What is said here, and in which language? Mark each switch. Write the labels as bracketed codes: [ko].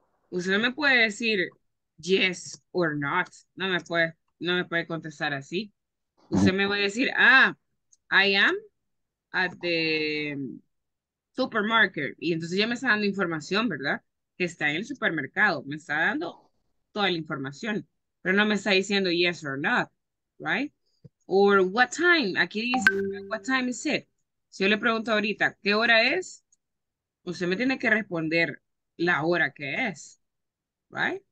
[es] Usted no me puede decir [en] yes or not. [es] No me puede contestar así. Usted me va a decir, [en] I am at the supermarket. [es] Y entonces ya me está dando información, ¿verdad? Que está en el supermercado. Me está dando toda la información. pero no me está diciendo [en] yes or not, right? Or what time, [es] aquí dice, [en] what time is it? [es] Si yo le pregunto ahorita, ¿qué hora es? Usted me tiene que responder la hora que es, right?